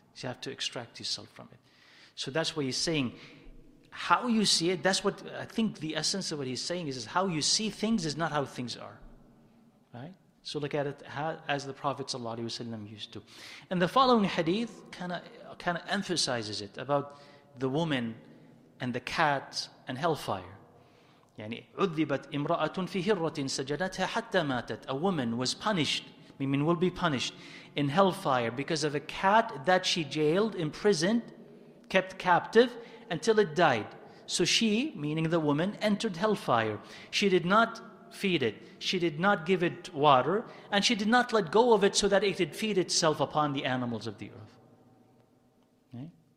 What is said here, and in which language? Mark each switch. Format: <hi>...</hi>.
<en>So you have to extract yourself from it. So that's what he's saying. How you see it, that's what I think the essence of what he's saying is how you see things is not how things are. Right? So look at it as the Prophet ﷺ used to. And the following hadith kind of kind of emphasizes it about the woman and the cat and hellfire.</en> <ar>يعني عذبت امرأة في هرة سجنتها حتى ماتت.</ar> <en>A woman was punished, meaning will be punished in hellfire because of a cat that she jailed, imprisoned, kept captive until it died. So she, meaning the woman, entered hellfire. She did not feed it. She did not give it water. And she did not let go of it so that it could feed itself upon the animals of the earth. Okay?</en>